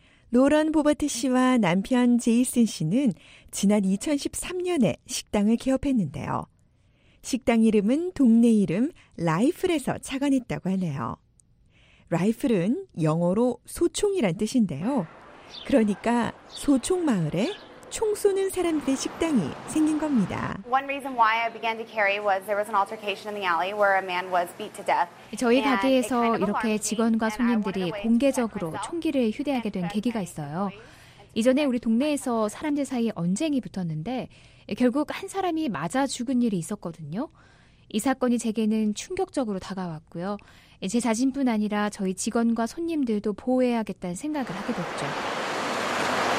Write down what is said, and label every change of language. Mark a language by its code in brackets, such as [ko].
[ko] 로런 보버트 씨와 남편 제이슨 씨는 지난 2013년에 식당을 개업했는데요. 식당 이름은 동네 이름 라이플에서 착안했다고 하네요. 라이플은 영어로 소총이란 뜻인데요. 그러니까 소총 마을에 총 쏘는 사람들의 식당이 생긴 겁니다. [en] One reason why I began to carry was there was an altercation in the alley where a man was beat to death. [ko] 저희 가게에서 이렇게 직원과 손님들이 공개적으로 총기를 휴대하게 된 계기가 있어요. 이전에 우리 동네에서 사람들 사이에 언쟁이 붙었는데 결국 한 사람이 맞아 죽은 일이 있었거든요. 이 사건이 제게는 충격적으로 다가왔고요. 제 자신뿐 아니라 저희 직원과 손님들도 보호해야겠다는 생각을 하게 됐죠.